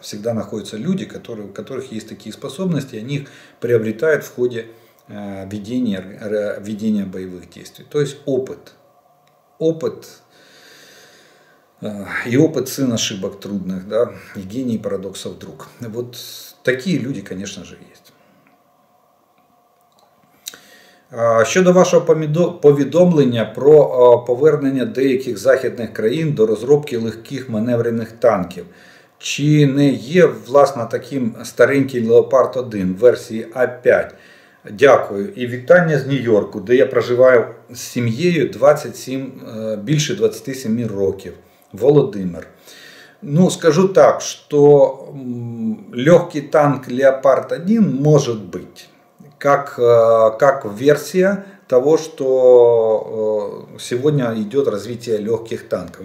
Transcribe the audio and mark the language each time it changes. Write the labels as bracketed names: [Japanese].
[Russian] Всегда находятся люди, у которых есть такие способности, они их приобретают в ходе ведения боевых действий. То есть опыт. Опыт и опыт сын ошибок трудных, да, и гений парадоксов друг. Вот такие люди, конечно же, есть. [Ukrainian] Щодо вашого повідомлення про повернення деяких західних країн до розробки легких маневрених танків, чи не є, власне, таким старенький «Леопард-1» версії А5? Дякую. І вітання з Нью-Йорку, де я проживаю з сім'єю більше 27 років. Володимир. [Russian] Ну, скажу так, что легкий танк «Леопард-1» может быть, как версия того, что сегодня идет развитие легких танков.